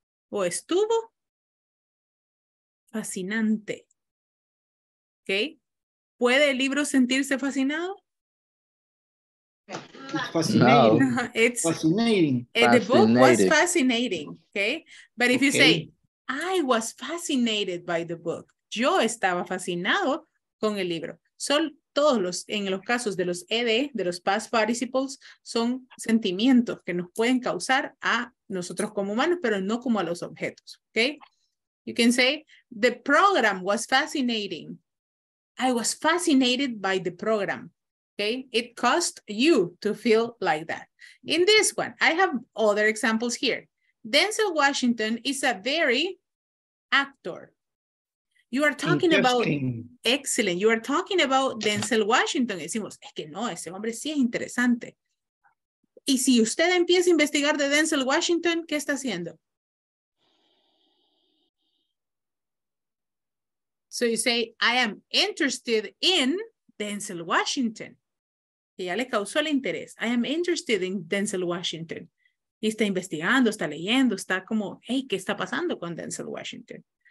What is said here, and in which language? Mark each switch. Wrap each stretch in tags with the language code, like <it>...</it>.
<es>O estuvo fascinante. ¿Ok? ¿Puede el libro sentirse fascinado?</es> <en>Fascinating. The book was fascinating. ¿Ok? But if you say, I was fascinated by the book.</en> <es>Yo estaba fascinado con el libro. Son todos los, en los casos de los ED, de los past participles, son sentimientos que nos pueden causar a nosotros como humanos, pero no como a los objetos, ¿ok?</es> <en>You can say, the program was fascinating. I was fascinated by the program, ¿ok? It caused you to feel like that. In this one, I have other examples here. Denzel Washington is a very actor. You are talking about, excellent, you are talking about Denzel Washington.</en> <es>Decimos, es que no, ese hombre sí es interesante. Y si usted empieza a investigar de Denzel Washington, ¿qué está haciendo?</es> <en>So you say, I am interested in Denzel Washington.</en> <es>Y ya le causó el interés.</es> <en>I am interested in Denzel Washington.</en> <es>Y está investigando, está leyendo, está como, hey, ¿qué está pasando con Denzel Washington?</es>